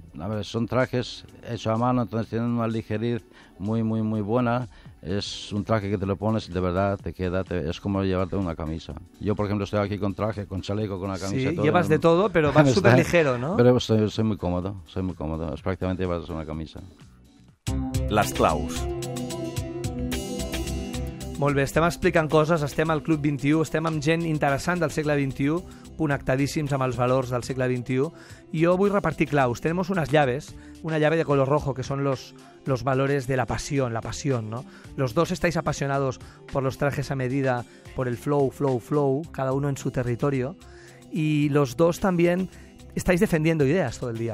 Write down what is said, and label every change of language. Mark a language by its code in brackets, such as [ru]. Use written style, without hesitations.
[es] A ver, son trajes hechos a mano, entonces tienen una ligerez muy, muy, muy buena. Es un traje que te lo pones y de verdad te queda, es como llevarte una camisa. Yo, por ejemplo, estoy aquí con traje, con chaleco, con una camisa. Sí, todo, llevas de todo, pero vas súper ligero, ¿no? Pero soy muy cómodo. Es prácticamente llevarte una camisa. [ca] Las claus. Molt bé, estem explicant coses, estem al Club 21, estem amb gent interessant del segle XXI, connectadíssims amb els valors del segle XXI. I jo vull repartir claus. [es] Tenemos unas llaves, una llave de color rojo, que son los valores de la pasión, ¿no? Los dos estáis apasionados por los trajes a medida, por el flow, flow, flow, cada uno en su territorio. Y los dos también estáis defendiendo ideas todo el día.